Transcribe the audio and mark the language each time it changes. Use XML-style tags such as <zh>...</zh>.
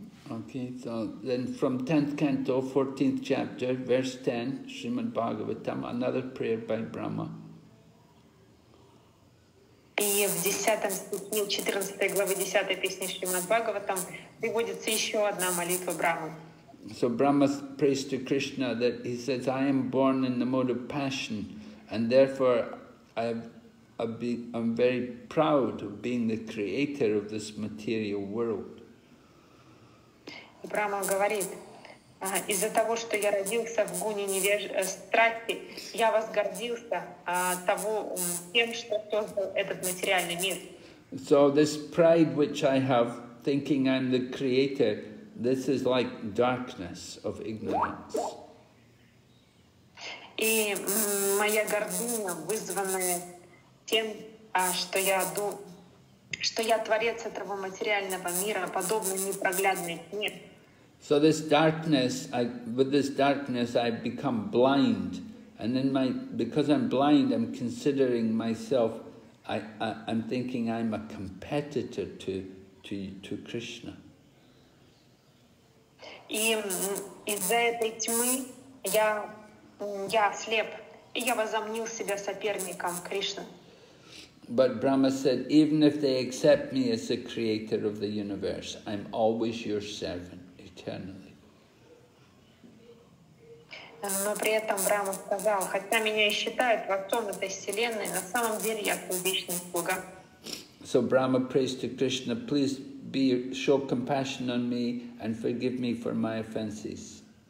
<en>Okay, so then from 10th canto, 14th chapter, verse 10, Srimad Bhagavatam, another prayer by Brahma.</en> <ru>И в 10-м стихе, 14-й главы 10-й песни Шримад Бхагаватам приводится еще одна молитва Брахмы.</ru> <en>So Brahma prays to Krishna that he says, I am born in the mode of passion, and therefore I'm very proud of being the creator of this material world.</en> <ru>Брахма говорит, из-за того, что я родился в гуне страсти, я возгордился тем, что создал этот материальный мир.</ru> <en>So this pride which I have, thinking I'm the creator, this is like darkness of ignorance.</en> <ru>И моя гордыня, вызванная тем, что я творец этого материального мира, подобный непроглядной тьме.</ru> <en>So this darkness, I've become blind, and in my, because I'm blind, I'm considering myself, I'm thinking I'm a competitor to Krishna.</en> <ru>И из-за этой тьмы я слеп, и я возомнил себя соперником Кришны.</ru> <en>But Brahma said, even if they accept me as the creator of the universe, I'm always your servant eternally.</en> <ru>Но при этом Брахма сказал, хотя меня и считают отцом этой вселенной, на самом деле я твой вечный слуга.</ru> <en>So Brahma prays to Krishna, please show compassion on me and forgive me for my offenses.</en>